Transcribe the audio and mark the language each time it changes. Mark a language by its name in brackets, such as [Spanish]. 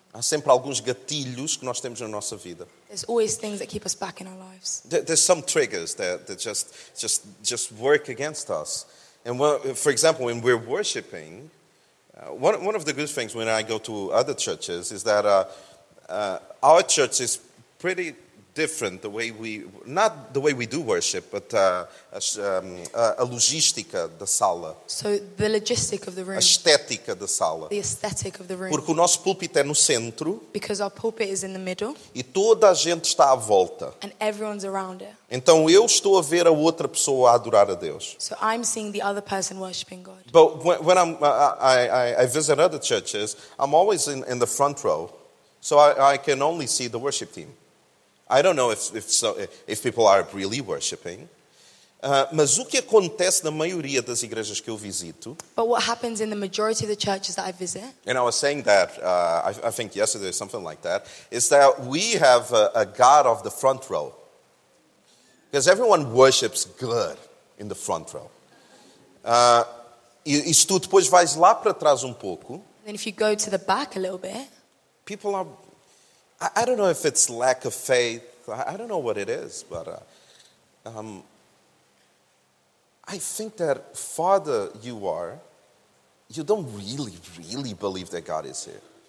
[Portuguese] Há sempre alguns gatilhos que nós temos na nossa vida. [English] There's always things that keep us back in our lives. There's some triggers that just work against us. And for example, when we're worshiping, one of the good things when I go to other churches is that our church is pretty different, not the way we do worship, but [Portuguese] a logística da sala. [English] So the logistic of the room. [Portuguese] A estética da sala. [English] The aesthetic of the room. [Portuguese] Porque o nosso púlpito é no centro. [English] Because our pulpit is in the middle. [Portuguese] E toda a gente está à volta. [English] And everyone's around it. [Portuguese] Então eu estou a ver a outra pessoa a adorar a Deus. [English] So I'm seeing the other person worshiping God. But when I visit other churches, I'm always in the front row, so I can only see the worship team. I don't know if people are really worshiping. [Portuguese] Mas o que acontece na maioria das igrejas que eu visito? [English] But what happens in the majority of the churches that I visit? And I was saying that I think yesterday something like that is that we have a God of the front row. Because everyone worships God in the front row. [Portuguese] E se tu depois vais lá para trás pouco? [English] Then if you go to the back a little bit. People are, I don't know if it's lack of faith. I don't know what it is, but I think that farther you are, you don't really, really believe that God is here.